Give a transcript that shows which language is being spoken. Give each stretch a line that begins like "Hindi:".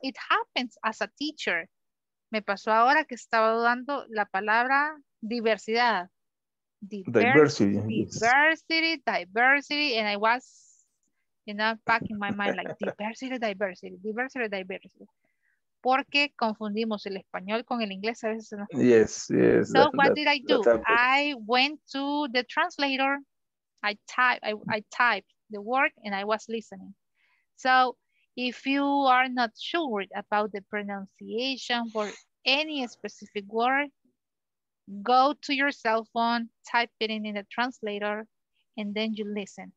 English: It happens as a teacher.
Spanish: Me pasó ahora que estaba dudando la palabra diversidad.
English: Diversity. Diversity, yes. Diversity, and I was, you know, back in my mind, like diversity, diversity, diversity, diversity.
Spanish: Porque confundimos el español con el inglés a veces.
English: Yes, yes. So what did I do? I went to the translator. I typed the word and I was listening. So if you are not sure about the pronunciation for any specific word, go to your cell phone, type it in the translator, and then you listen.